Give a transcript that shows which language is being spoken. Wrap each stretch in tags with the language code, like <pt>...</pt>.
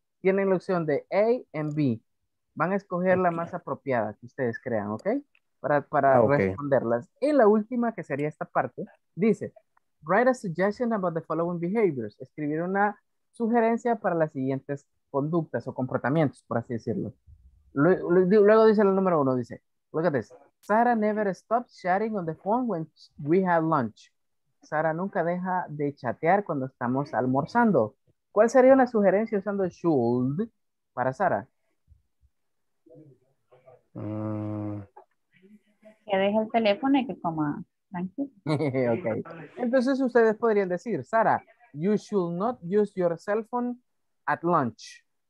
<es>Tienen la opción de A and B. Van a escoger la más apropiada que ustedes crean, ¿ok? Para responderlas. Y la última, que sería esta parte, dice,</es> <en>write a suggestion about the following behaviors.</en> <es>Escribir una sugerencia para las siguientes conductas o comportamientos, por así decirlo. Luego dice el número uno, dice,</es> <en>look at this. Sarah never stops chatting on the phone when we have lunch.</en> <es>Sarah nunca deja de chatear cuando estamos almorzando. ¿Cuál sería una sugerencia usando should para Sarah? Que deje el teléfono y que coma tranquilo.</es> <en>Okay.</en> <es>Entonces ustedes podrían decir,</es> <en>Sarah, you should not use your cell phone at lunch.</en>